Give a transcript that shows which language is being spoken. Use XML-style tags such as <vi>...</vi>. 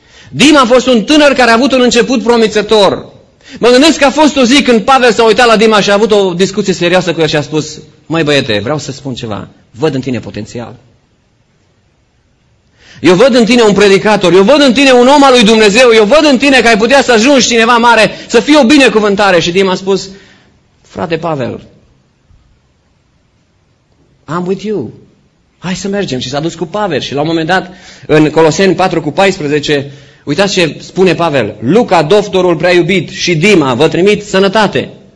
<ro>Dima a fost un tânăr care a avut un început promițător. Mă gândesc că a fost o zi când Pavel s-a uitat la Dima și a avut o discuție serioasă cu el și a spus, măi băiete, vreau să spun ceva, văd în tine potențial. Eu văd în tine un predicator, eu văd în tine un om al lui Dumnezeu, eu văd în tine că ai putea să ajungi cineva mare, să fie o binecuvântare. Și Dima a spus, frate Pavel,</ro> <en>I'm with you.</en> <ro>Hai să mergem. Și s-a dus cu Pavel și la un moment dat, în Coloseni 4:14, uitați ce spune Pavel, Luca, doctorul prea iubit, și Dima, vă trimit sănătate.</ro>